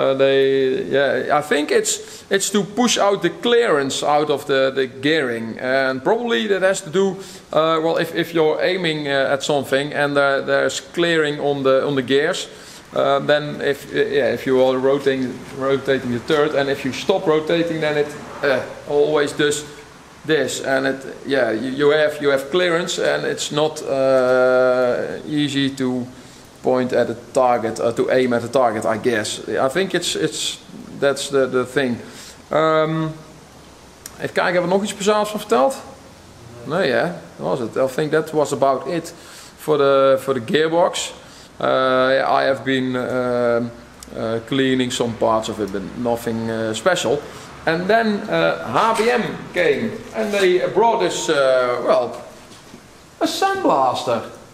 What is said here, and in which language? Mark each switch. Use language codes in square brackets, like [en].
[en] I think it's to push out the clearance out of the gearing, and probably that has to do if you're aiming at something and there's clearing on the gears, then if you are rotating the turret, and if you stop rotating, then it always does this, and it you have clearance, and it's not easy to point at a target, to aim at a target, I guess. I think that's the thing. [nl] Even kijken, hebben we nog iets speciaals van verteld? Nee, hè? Dat was het. [en] I think that was about it for the gearbox. I have been cleaning some parts of it, but nothing special. And then HBM came and they brought us, a sandblaster.